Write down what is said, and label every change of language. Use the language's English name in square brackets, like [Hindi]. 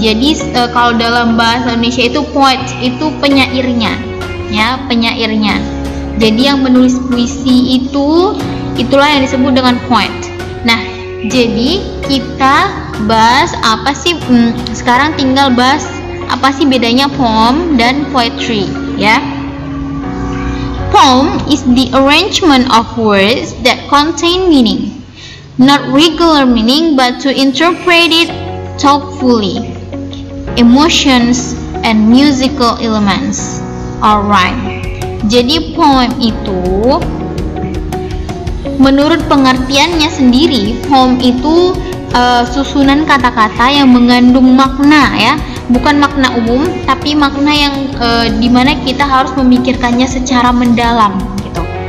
[Indonesian] Jadi kalau dalam bahasa Indonesia itu poet itu penyairnya, ya, penyairnya. Jadi yang menulis puisi itu itulah yang disebut dengan poet. Jadi kita bahas apa sih, sekarang tinggal bahas apa sih bedanya poem dan poetry, ya. [English] Poem is the arrangement of words that contain meaning, not regular meaning, but to interpret it thoughtfully, emotions and musical elements or rhyme. [Indonesian] Jadi poem itu, menurut pengertiannya sendiri, poem itu susunan kata-kata yang mengandung makna, ya, bukan makna umum, tapi makna yang dimana kita harus memikirkannya secara mendalam, gitu.